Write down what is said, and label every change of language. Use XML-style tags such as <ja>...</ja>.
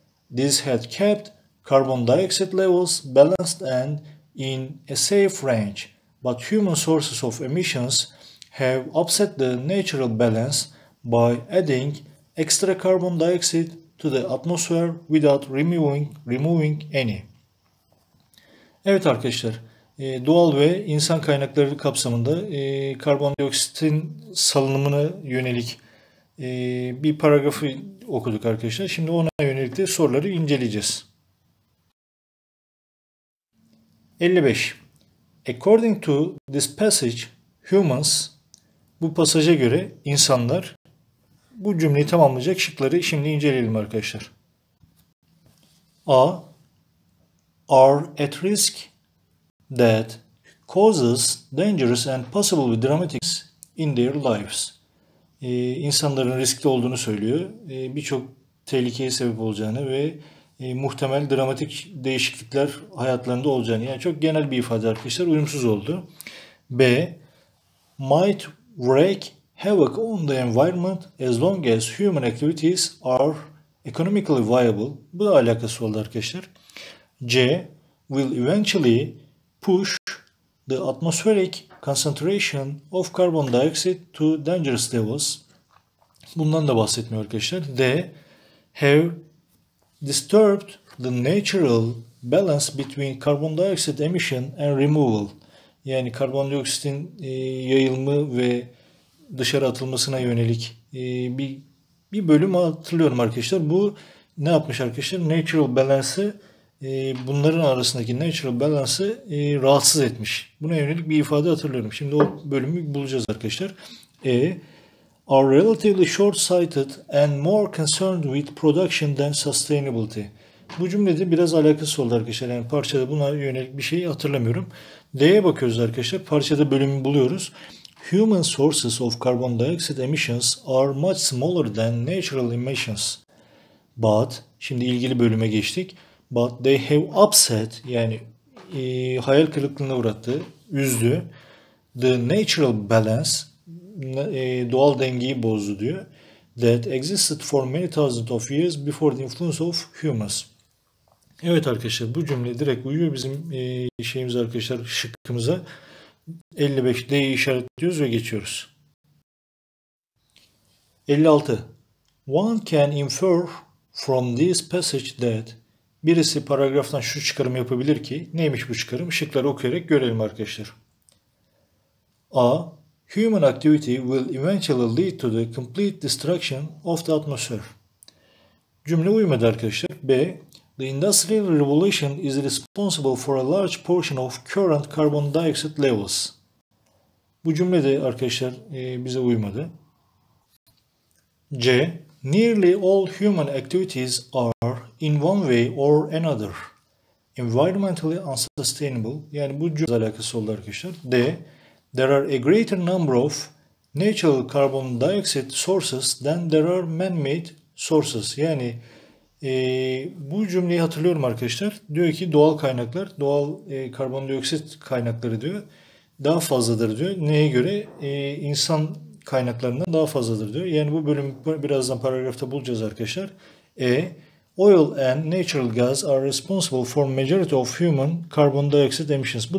<en>This had kept carbon dioxide levels balanced and in a safe range, but human sources of emissions have upset the natural balance by adding extra carbon dioxide to the atmosphere without removing any.</en> <tr>Evet arkadaşlar, doğal ve insan kaynakları kapsamında karbondioksitin salınımına yönelik bir paragrafı okuduk arkadaşlar. Şimdi ona yönelik de soruları inceleyeceğiz. 55.</tr> <en>According to this passage, humans,</en> <tr>bu pasaja göre insanlar, bu cümleyi tamamlayacak şıkları şimdi inceleyelim arkadaşlar. A.</tr> <en>Are at risk that causes dangerous and possibly dramatic in their lives.</en> <tr>İnsanların riskli olduğunu söylüyor. Birçok tehlikeye sebep olacağını ve muhtemel dramatik değişiklikler hayatlarında olacağını. Yani çok genel bir ifade arkadaşlar. Uyumsuz oldu. B.</tr> <en>Might wreak havoc on the environment as long as human activities are economically viable.</en> <tr>Bu da alakası oldu arkadaşlar.</tr> <en>C. Will eventually push the atmospheric concentration of carbon dioxide to dangerous levels.</en> <tr>Bundan da bahsetmiyor arkadaşlar. D.</tr> <en>Have disturbed the natural balance between carbon dioxide emission and removal.</en> <tr>Yani karbondioksitin yayılımı ve dışarı atılmasına yönelik bir bölüm hatırlıyorum arkadaşlar. Bu ne yapmış arkadaşlar? Natural balance'ı bunların arasındaki natural balance'ı rahatsız etmiş. Buna yönelik bir ifade hatırlıyorum. Şimdi o bölümü bulacağız arkadaşlar. E.</tr> <en>Are relatively short-sighted and more concerned with production than sustainability.</en> <tr>Bu cümlede biraz alakası oldu arkadaşlar. Yani parçada buna yönelik bir şey hatırlamıyorum. D'ye bakıyoruz arkadaşlar. Parçada bölümü buluyoruz.</tr> <en>Human sources of carbon dioxide emissions are much smaller than natural emissions.</en> <tr>But, şimdi ilgili bölüme geçtik.</tr> <en>But they have upset,</en> <tr>yani hayal kırıklığına uğrattı, üzdü.</tr> <en>The natural balance,</en> <tr>doğal dengeyi bozdu diyor.</tr> <en>That existed for many thousands of years before the influence of humans.</en> <tr>Evet arkadaşlar, bu cümle direkt uyuyor bizim şeyimiz arkadaşlar, şıkkımıza. 55 D'yi işaretliyoruz ve geçiyoruz.</tr> <en>56. One can infer from this passage that.</en> <tr>Birisi paragraftan şu çıkarım yapabilir ki, neymiş bu çıkarım? Şıkları okuyarak görelim arkadaşlar. A.</tr> <en>Human activity will eventually lead to the complete destruction of the atmosphere.</en> <tr>Cümle uymadı arkadaşlar.</tr> <en>B. The industrial revolution is responsible for a large portion of current carbon dioxide levels.</en> <tr>Bu cümle de arkadaşlar bize uymadı. C.</tr> <en>Nearly all human activities are in one way or another environmentally unsustainable.</en> <tr>Yani bu cümle alakası oldu arkadaşlar. D.</tr> <en>There are a greater number of natural carbon dioxide sources than there are man-made sources.</en> <tr>Yani bu cümleyi hatırlıyorum arkadaşlar. Diyor ki doğal kaynaklar, doğal karbondioksit kaynakları diyor, daha fazladır diyor. Neye göre? İnsan kaynaklarından daha fazladır diyor. Yani bu bölümü birazdan paragrafta bulacağız arkadaşlar. E.</tr> <en>Oil and natural gas are responsible for majority of human carbon dioxide emissions.</en>